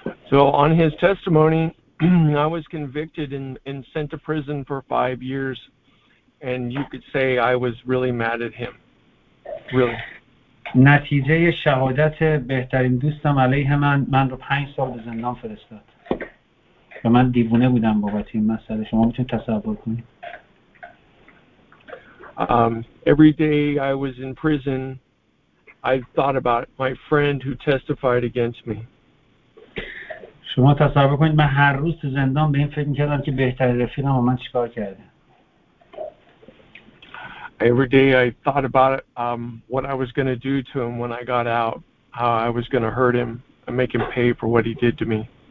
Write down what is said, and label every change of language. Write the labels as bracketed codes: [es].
[en] So on his testimony, I was convicted and sent to prison for 5 years, and you could say I was really mad at him. Really. [fa] نتیجه شهادت بهترین دوستم علیه من رو 5 سال به زندان فرستاد. و من دیوونه بودم بابت این مسئله. شما میتونید تصور کنید. [en] Every day I was in prison, I thought about my friend who testified against me. [fa] شما تصور کنید من هر روز تو زندان به این فکر می‌کردم که بهترین رفیقم با من چیکار کرده. [en] Every day I thought about what I was going to do to him when I got out, how I was going to hurt him and make him pay for what he did to me.